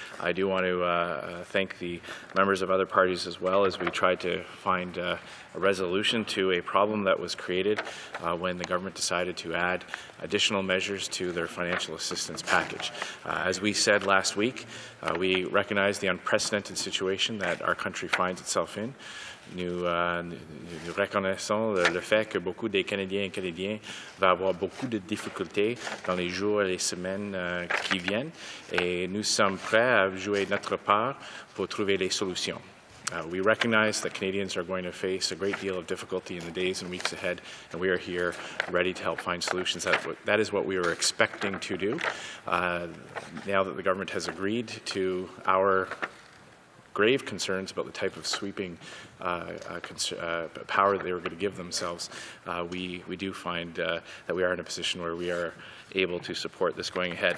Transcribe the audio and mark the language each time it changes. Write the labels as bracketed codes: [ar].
[en] I do want to thank the members of other parties as well as we tried to find a resolution to a problem that was created when the government decided to add additional measures to their financial assistance package. As we said last week, we recognize the unprecedented situation that our country finds itself in. [fr] Nous reconnaissons le fait que beaucoup des Canadiens et Canadiens vont avoir beaucoup de difficultés dans les jours et les semaines qui viennent, et nous sommes prêts à jouer notre part pour trouver les solutions. [en] We recognize that Canadians are going to face a great deal of difficulty in the days and weeks ahead, and we are here ready to help find solutions. That is what we were expecting to do. Now that the government has agreed to our grave concerns about the type of sweeping power that they were going to give themselves, we do find that we are in a position where we are able to support this going ahead.